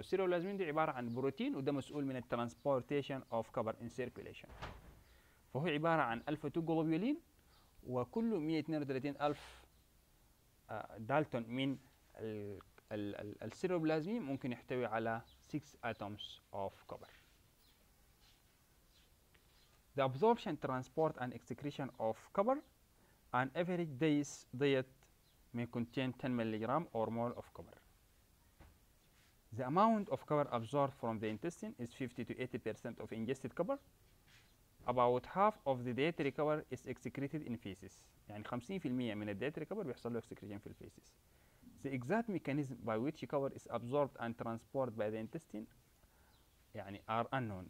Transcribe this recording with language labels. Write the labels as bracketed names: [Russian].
[Arabic] السيروبلازمين دي عبارة عن بروتين وده مسؤول من [English] transportation of cover in circulation. [Arabic] فهو عبارة عن alpha 2 globulin وكل 132 ألف دالتون من السيروبلازمين ممكن يحتوي على [English] 6 atoms of copper. The absorption, transport and excretion of copper an average day's diet may contain 10 milligram or more of copper. The amount of copper absorbed from the intestine is 50 to 80% of ingested copper. About half of the dietary copper is excreted in feces. [Arabic] يعني 50% من الدايتري كبر بيحصل له excretion في الفيسيس. [English] The exact mechanism by which copper is absorbed and transported by the intestine يعني are unknown.